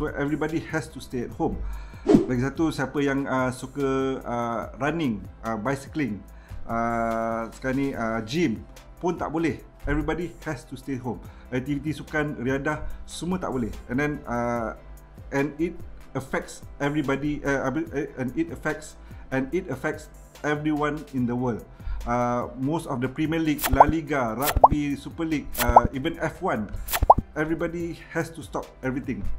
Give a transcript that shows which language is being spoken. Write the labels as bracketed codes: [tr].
[en] So, everybody has to stay at home. [ms] Lagi satu, siapa yang suka running, bicycling, sekarang ni gym pun tak boleh. [en] Everybody has to stay home. [ms] Aktiviti sukan, riadah, semua tak boleh. [en] And then and it affects everybody, and it affects everyone in the world. Most of the Premier League, La Liga, Rugby, Super League, even F1, everybody has to stop everything.